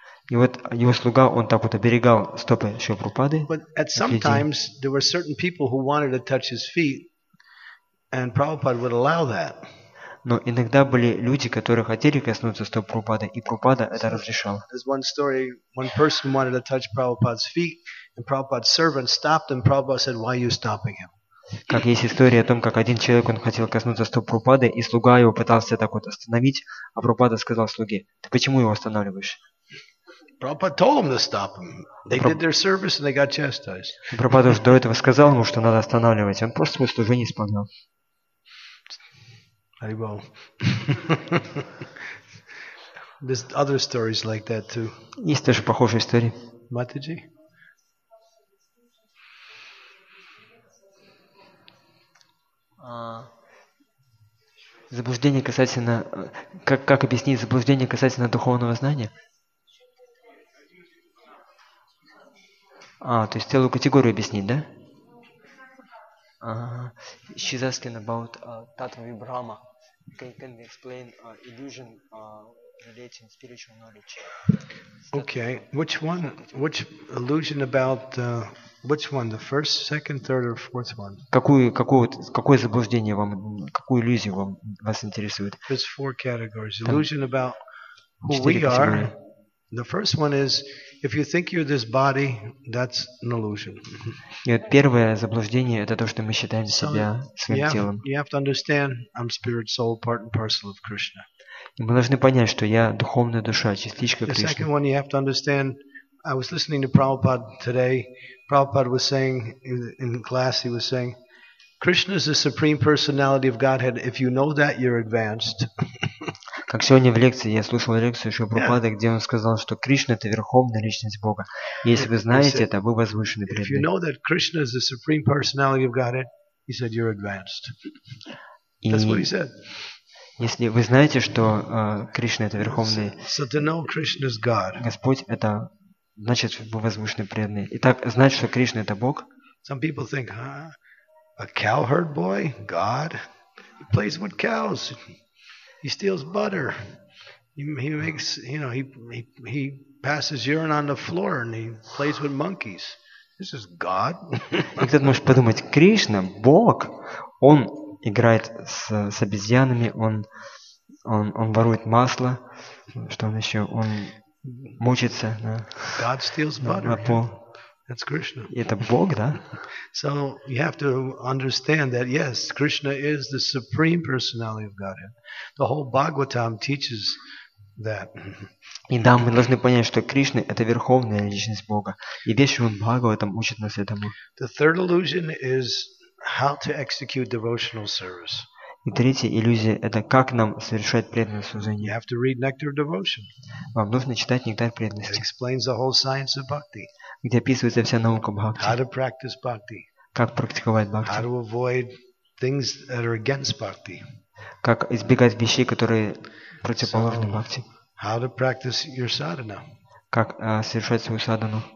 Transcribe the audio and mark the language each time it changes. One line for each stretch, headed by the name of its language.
Russian: И вот его слуга, он так вот оберегал стопы Шри Прабхупады.
English: But at some times there were certain people who wanted to touch his feet, and Prabhupada would allow that.
Russian: Но иногда были люди, которые хотели коснуться стоп Прабхупады, и Прабхупада это разрешал.
English: There's one story, one person wanted to touch Prabhupada's feet, and Prabhupada's servant stopped him. Prabhupada said, "Why are you stopping him?"
Russian: Как есть история о том, как один человек, он хотел коснуться стоп Прабхупады, и слуга его пытался так вот остановить, а Прабхупада сказал слуге, "Ты почему его останавливаешь?"
English: Prabhupada told him to stop him. They did their service and they got chastised.
Russian: Прабхупада уже до этого сказал ему, что надо останавливать, он просто свое служение исполнял.
English: Very well. There's other stories like that too.
Russian: Есть тоже похожие истории. Матиджи? Заблуждение касательно... Как объяснить заблуждение касательно духовного знания? То есть целую категорию объяснить, да?
English: She's asking about Tattva Vibhrama. Can we explain illusion relating spiritual knowledge? Okay, which one? Which illusion about which one? The first, second, third, or fourth one?
Russian: Какое заблуждение вам, какую иллюзию вам вас интересует?
English: There's four categories. Illusion about who we are. The first one is If you think you're this body, that's an illusion.
Russian: И вот первое заблуждение это то, что мы считаем себя своим телом.
English: You have to understand, I'm spirit, soul, part and parcel of Krishna.
Russian: И мы должны понять, что я духовная душа, частичка Кришны.
English: The second one you have to understand. I was listening to Prabhupada today. Prabhupada was saying in class, he was saying, Krishna is the supreme personality of Godhead. If you know that, you're advanced.
Russian: Как сегодня в лекции я слушал лекцию Шри Прабхупады, где он сказал, что Кришна это верховная личность Бога. Если вы знаете это, вы возвышены преданы.
English: If you know that Krishna is the supreme personality of Godhead, he said you're advanced. That's what he said.
Russian: Если вы знаете, что Кришна это верховный
English: So to know Krishna is God.
Russian: Господь это значит вы возвышены преданы. Итак, знать, что Кришна это Бог.
English: Some people think, a cowherd boy, God, he plays with cows. He steals butter. He makes, you know, he passes urine on the floor and he plays with monkeys. This is God.
Russian: И кто-то может подумать, Кришна, Бог, он играет с обезьянами, он ворует масло, что он еще, он мучится на пол.
English: God steals butter. That's Krishna.
Russian: Это Бог, да?
English: So you have to understand that yes, Krishna is the supreme personality of Godhead. The whole Bhagavatam teaches that.
Russian: И да, мы должны понять, что Кришна это верховная личность Бога. И весь он Бхагаватам учит нас этому.
English: The third illusion is how to execute devotional service.
Russian: И третья иллюзия это как нам совершать преданное служение.
English: You have to read Nectar of Devotion.
Russian: Вам нужно читать Нектар преданности.
English: It explains the whole science of bhakti.
Russian: Где описывается вся наука бхакти.
English: How to practice bhakti.
Russian: Как практиковать бхакти.
English: How to avoid things that are against bhakti.
Russian: Как избегать вещей, которые противоположны бхакти.
English: How to practice your sadhana.
Russian: Как совершать свою садхану.